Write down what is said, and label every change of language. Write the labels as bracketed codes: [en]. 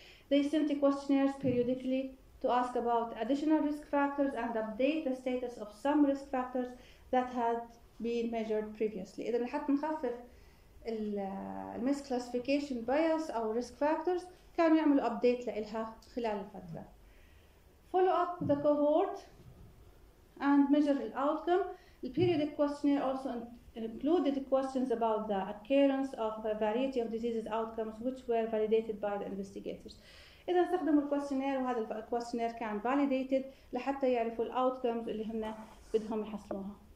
[en] They sent questionnaires periodically to ask about additional risk factors and update the status of some risk factors that had been measured previously. [ar] إذا لحتى نخفف ال misclassification bias أو risk factors كانوا يعملوا update لإلها خلال الفترة. [en] Follow up the cohort and measure the outcome. The periodic questionnaire also included questions about the occurrence of a variety of diseases outcomes which were validated by the investigators. [ar] إذا استخدموا الكوستشنير وهذا الكوستشنير كان validated لحتى يعرفوا الـ outcomes اللي هم بدهم يحصلوها.